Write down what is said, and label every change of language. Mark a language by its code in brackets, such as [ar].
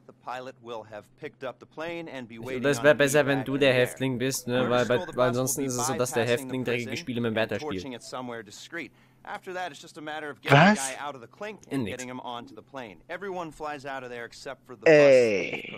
[en] the pilot will have picked up the plane and be waiting. [de] Das wäre besser, wenn du der Häftling bist, ne? Weil ansonsten ist es so, dass der Häftling dreckige Spiele mit dem Wärter spielt. [en] After that, it's just a matter of getting the guy out of the clink and getting him onto the plane. Everyone flies out of there except for the bus.